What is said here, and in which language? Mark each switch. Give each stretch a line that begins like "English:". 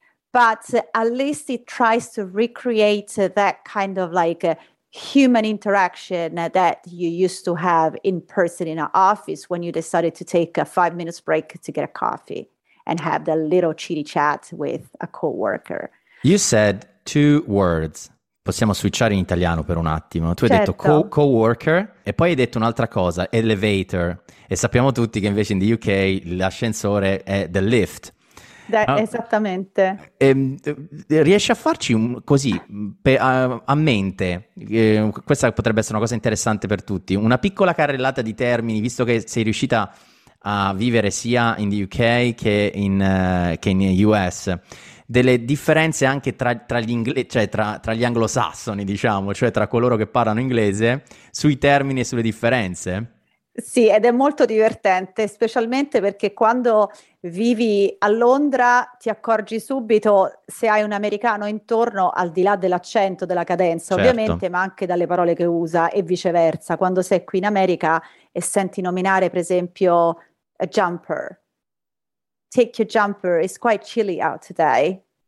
English: But at least it tries to recreate that kind of like human interaction that you used to have in person in an office when you decided to take a 5 minutes break to get a coffee and have the little chitty chat with a coworker. You said two words.
Italian: Possiamo switchare in italiano per un attimo. Tu hai detto co-worker e poi hai detto un'altra cosa, elevator. E sappiamo tutti che invece
English: in the UK
Italian: l'ascensore è
English: the lift.
Italian: Esattamente. Riesci a farci così, a mente, questa potrebbe essere una cosa interessante per tutti, una piccola carrellata di termini, visto che sei riuscita a vivere sia
English: in the UK
Italian: che in US, delle differenze anche tra gli anglosassoni, diciamo, cioè tra coloro che parlano inglese, sui termini e sulle differenze? Sì, ed è molto divertente, specialmente perché quando vivi a Londra ti accorgi subito se hai un americano intorno, al di là dell'accento, della cadenza, certo, ovviamente, ma anche dalle parole che usa e viceversa. Quando sei qui in America e senti nominare, per esempio, a jumper.
English: Take your jumper, it's quite chilly out today.